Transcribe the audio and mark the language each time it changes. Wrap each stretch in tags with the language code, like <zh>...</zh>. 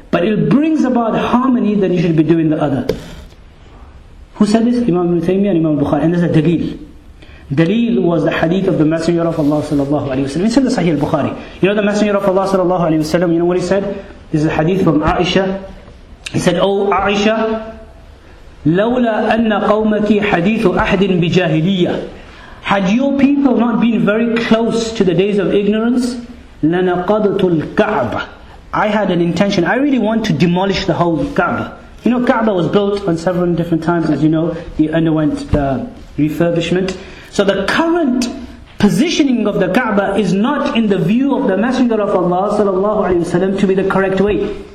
<en>But it brings about harmony, then you should be doing the other. Who said this? Imam Ibn Taymiyyah and Imam Bukhari. And there's a dalil. Dalil was the hadith of the Messenger of Allah sallallahu alayhi wa sallam. It's in the Sahih al-Bukhari. You know the Messenger of Allah sallallahu alayhi wa sallam, you know what he said? This is a hadith from Aisha. He said, "Oh Aisha,</en> <ar>لولا أن قومك حديث أحد بجاهلية.</ar> <en>Had your people not been very close to the days of ignorance,</en> <ar>لنقضت الكعبة.</ar> <en>I had an intention. I really want to demolish the whole Kaaba. You know, Kaaba was built on several different times, as you know, it underwent refurbishment. So the current positioning of the Kaaba is not in the view of the Messenger of Allah sallallahu alaihi wasallam to be the correct way.</en>